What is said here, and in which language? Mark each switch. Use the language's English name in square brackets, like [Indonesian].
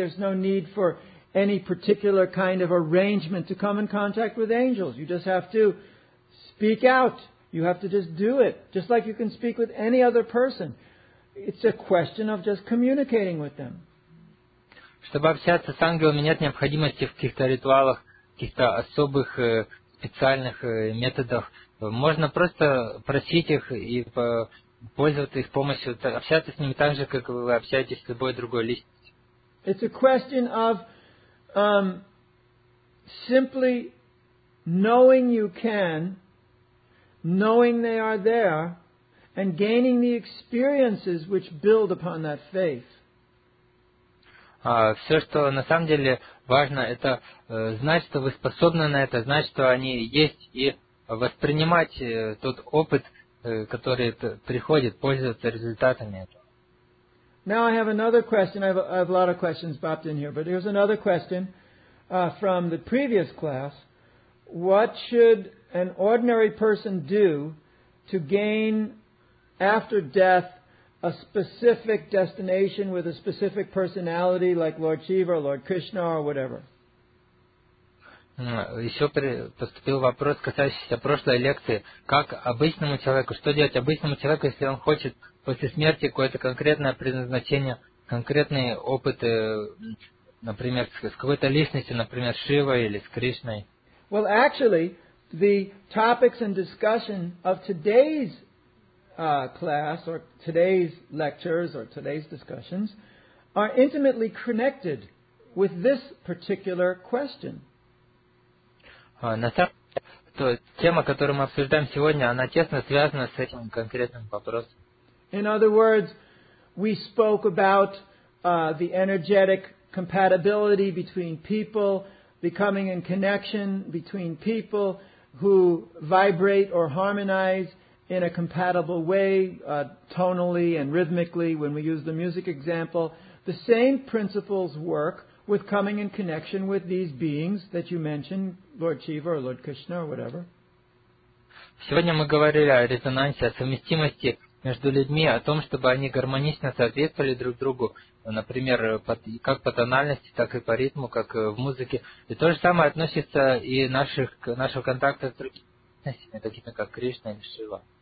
[English] There's no need for any particular kind of arrangement to come in contact with angels. You just have to speak out. You have to just do it, just like you can speak with any other person. It's a question of just communicating with them. [Russian] Чтобы общаться с ангелами, нет необходимости в каких-то ритуалах, каких-то особых специальных методах. Можно просто просить их и пользоваться их помощью, общаться с ними так же, как вы общаетесь с любой другой личностью. [English] It's a question of simply knowing you can, knowing they are there, and gaining the experiences which build upon that faith. [Russian] Все, что на самом деле важно, это знать, что вы способны на это, знать, что они есть, и воспринимать тот опыт, который приходит, пользоваться результатами этого. [English] Now I have another question. I have a lot of questions popped in here, but here's another question from the previous class. What should an ordinary person do to gain after death a specific destination with a specific personality like Lord Shiva or Lord Krishna or whatever? [Russian] Еще поступил вопрос, касающийся прошлой лекции. Как обычному человеку, что делать обычному человеку, если он хочет после смерти какое-то конкретное предназначение, конкретные опыты, например, с какой-то личностью, например, с Шивой или с Кришной? [English] Well, actually, the topics and discussion of today's class or today's lectures or today's discussions are intimately connected with this particular question. [Russian] На самом деле, то тема, которую мы обсуждаем сегодня, она тесно связана с этим конкретным вопросом. [English] In other words, we spoke about the energetic compatibility between people, becoming in connection between people who vibrate or harmonize in a compatible way, tonally and rhythmically, when we use the music example. The same principles work with coming in connection with these beings that you mentioned, Lord Shiva or Lord Krishna or whatever. [Russian] Сегодня мы говорили о резонансе, о совместимости между людьми, о том, чтобы они гармонично соответствовали друг другу, например, как по тональности, так и по ритму, как в музыке. И то же самое относится и нашего контакта с другими, такими как Кришна или Шива.